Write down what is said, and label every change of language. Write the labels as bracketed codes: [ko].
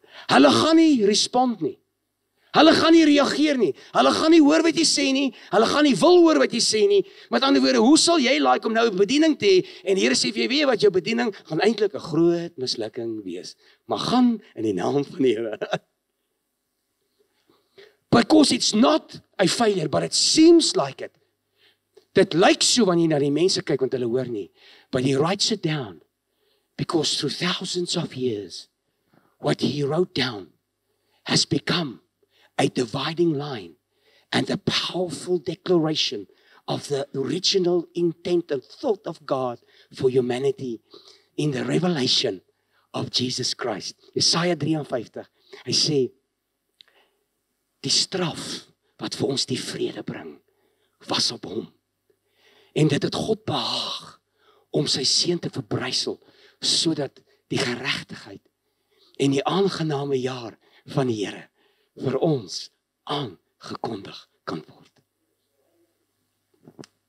[af] Hulle gaan nie respond nie. Hulle gaan nie reageer nie. Hulle gaan nie hoor wat jy sê nie. Hulle gaan nie wil hoor wat jy sê nie. Met ander woorde, hoe sal jy like om nou 'n bediening te hê? En die Here sê vir jy, weet wat jou bediening gaan eintlik 'n groot mislukking wees. Maar gaan in die naam van die Here. [en] Because it's not a failure, but it seems like it. [af] Dit lyk so wanneer jy na die mense kyk, want hulle hoor nie. [en] But he writes it down. Because through thousands of years, what he wrote down has become a dividing line and a powerful declaration of the original intent and thought of God for humanity in the revelation of Jesus Christ. [af] Jesaja 53, hy sê, die straf wat vir ons die vrede bring, was op hom. En dit het God behaag om sy seun te verbrysel, sodat die geregtigheid en die aangename jaar van die Here vir ons aangekondig kan word.